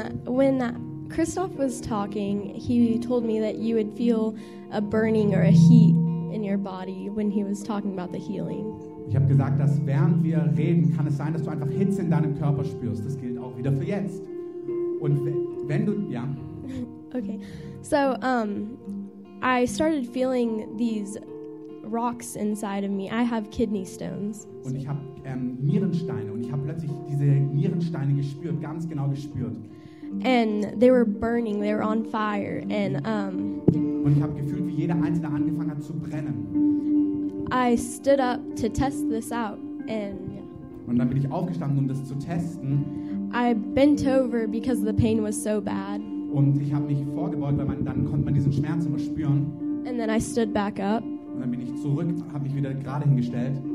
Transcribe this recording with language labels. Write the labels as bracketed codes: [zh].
[en] When Christoph was talking, he told me that you would feel a burning or a heat in your body when he was talking about the healing. [de] Ich habe gesagt, dass während wir reden, kann es sein, dass du einfach Hitze in deinem Körper spürst. Das gilt auch wieder für jetzt. Und wenn du, ja. [en] Okay, so I started feeling these rocks inside of me. I have kidney stones. [de] Und ich habe Nierensteine, und ich habe plötzlich diese Nierensteine gespürt, ganz genau gespürt. [en] And they were burning, they were on fire. And, [de] und ich habe gefühlt, wie jeder einzelne angefangen hat zu brennen. [en] I stood up to test this out, and [de] und dann bin ich aufgestanden, um das zu testen. [en] I bent over because the pain was so bad. [de] Und ich habe mich vorgebeugt, weil dann konnte man diesen Schmerz immer spüren. [en] And then I stood back up. [de] Und dann bin ich zurück, habe mich wieder gerade hingestellt.